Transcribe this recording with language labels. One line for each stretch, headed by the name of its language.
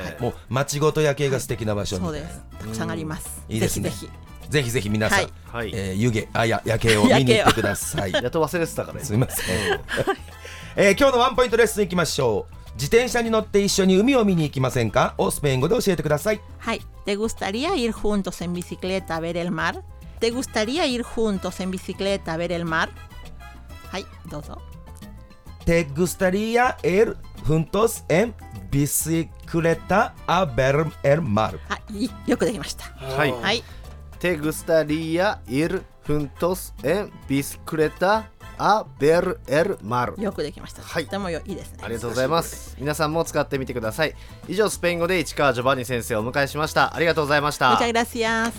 Japanese: もう町ごと夜景が素敵な場所みたいな、はい、そうです、たくさんあります、うん、いいですね、ぜひ皆さん、はい、湯気、あ、や、夜景を見に行ってください。やっと忘れてたから、ね、すみません、今日のワンポイントレッスンいきましょう。自転車に乗って一緒に海を見に行きませんかをスペイン語で教えてください。
Spanish: はい、¿Te gustaría ir juntos en bicicleta a ver el mar? ¿Te gustaría ir juntos en bicicleta a ver el mar?
Japanese: はい、どうぞ。
Spanish: ¿Te gustaría ir juntos en bicicletaくれたアベルエルマル。
Japanese: はい、よくできました。はい、はい、
Spanish: テグスタリアイルフントスエンビスクレタアベルエルマル。
Japanese: よくできました。はい、とてもいいですね。ありがとうございます。皆さんも使ってみてください。以上、スペイン語で市川ジョバニ先生をお迎えしました。ありがとうございました。
Spanish: Muchas gracias。